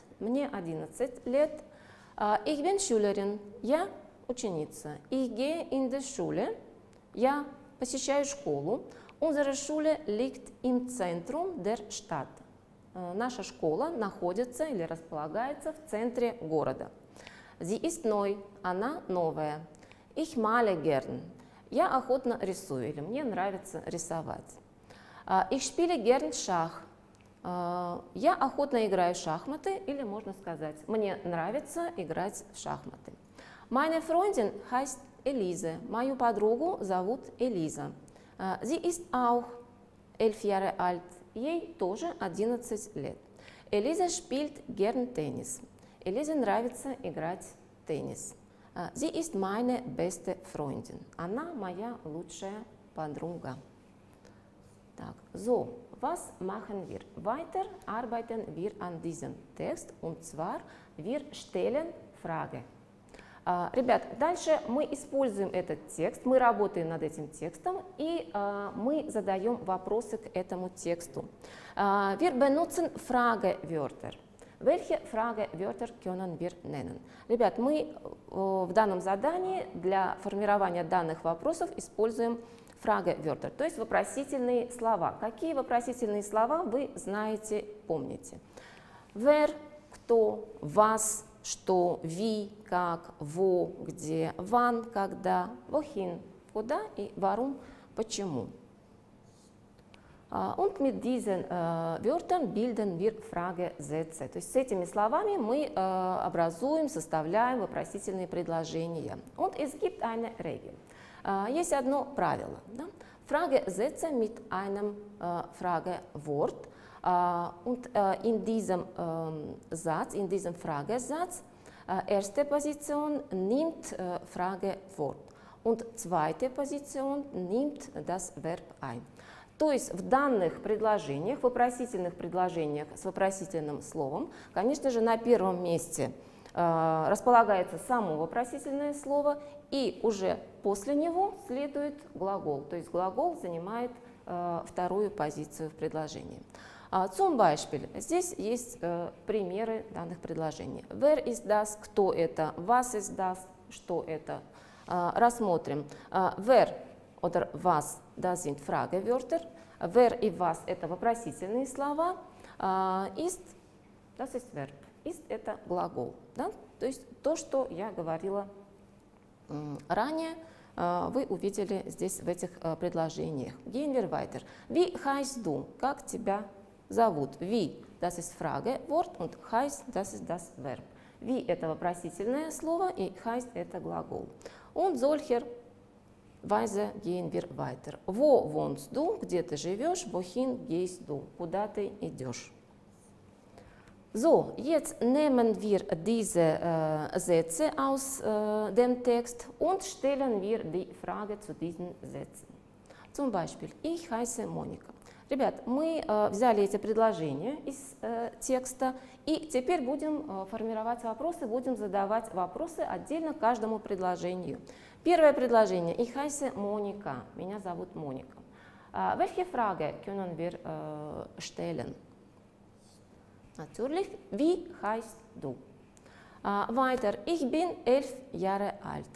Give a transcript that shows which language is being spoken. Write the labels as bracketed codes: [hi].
[ru] Мне 11 лет. [de] Ich bin Schülerin. [ru] Я ученица. [de] Ich gehe in die Schule. [ru] Я посещаю школу. [de] Unsere Schule liegt im Zentrum der Stadt. [ru] Наша школа находится или располагается в центре города. [de] Sie ist neu. [ru] Она новая. [de] Ich male gern. [ru] Я охотно рисую или мне нравится рисовать. [de] Ich spiele gern Schach. [ru] Я охотно играю в шахматы, или можно сказать, мне нравится играть в шахматы. [de] Meine Freundin heißt Elise. [ru] Мою подругу зовут Элиза. [de] Sie ist auch 11 Jahre alt. [ru] Ей тоже 11 лет. [de] Elise spielt gern Tennis. [ru] Элизе нравится играть в теннис. [de] Sie ist meine beste Freundin. [ru] Она моя лучшая подруга. Так, [de] so, was machen wir? Weiter arbeiten wir an diesem Text, und zwar wir stellen Frage. [ru] Ребят, дальше мы используем этот текст, мы работаем над этим текстом, и мы задаем вопросы к этому тексту. [de] Wir benutzen Fragewörter. Welche Fragewörter können wir nennen? [ru] Ребят, мы в данном задании для формирования данных вопросов используем Fragewörter, то есть вопросительные слова. Какие вопросительные слова вы знаете, помните? [de] Wer, [ru] кто, [de] was, [ru] что, [de] wie, [ru] как, [de] wo, [ru] где, [de] wann, [ru] когда, [de] wohin, [ru] куда и [de] warum, [ru] почему. [de] Und mit diesen Wörtern bilden wir Fragesätze. [ru] То есть с этими словами мы образуем, составляем вопросительные предложения. [de] Und es gibt eine Regel. [ru] Есть одно правило. Да? [de] Frage setze mit einem Fragewort. Und in diesem Satz, in diesem Fragesatz, erste Position nimmt Fragewort. Und zweite Position nimmt das Verb ein. [ru] То есть в данных предложениях, вопросительных предложениях с вопросительным словом, конечно же, на первом месте располагается само вопросительное слово, и уже после него следует глагол. То есть глагол занимает вторую позицию в предложении. [de] Zum Beispiel. [ru] Здесь есть примеры данных предложений. [de] Wer ist das? [ru] Кто это? [de] Was ist das? [ru] Что это? Рассмотрим. [de] Wer oder was, das sind Fragewörter. [ru] Wer и was – это вопросительные слова. [de] Ist, das ist Verb. [ru] Ist – это глагол. Да? То есть то, что я говорила ранее, вы увидели здесь в этих предложениях. [de] Gehen wir weiter. Wie heißt du? [ru] Как тебя зовут? [de] Wie – das ist Fragewort und heißt – das ist das Verb. [ru] Wie – это вопросительное слово и heißt – это глагол. [de] Und solcher Weise gehen wir weiter. Wo wohnst du? [ru] Где ты живешь? [de] Wohin gehst du? [ru] Куда ты идешь? [de] So, jetzt nehmen wir diese Sätze aus dem Text und stellen wir die Frage zu diesen Sätzen. Zum Beispiel, ich heiße Monika. [ru] Ребят, мы взяли эти предложения из текста и теперь будем формировать вопросы, будем задавать вопросы отдельно каждому предложению. Первое предложение. [de] Ich heiße Monika. [ru] Меня зовут Моника. [de] Welche Frage können wir stellen? Natürlich, wie heißt du? Weiter, ich bin 11 Jahre alt.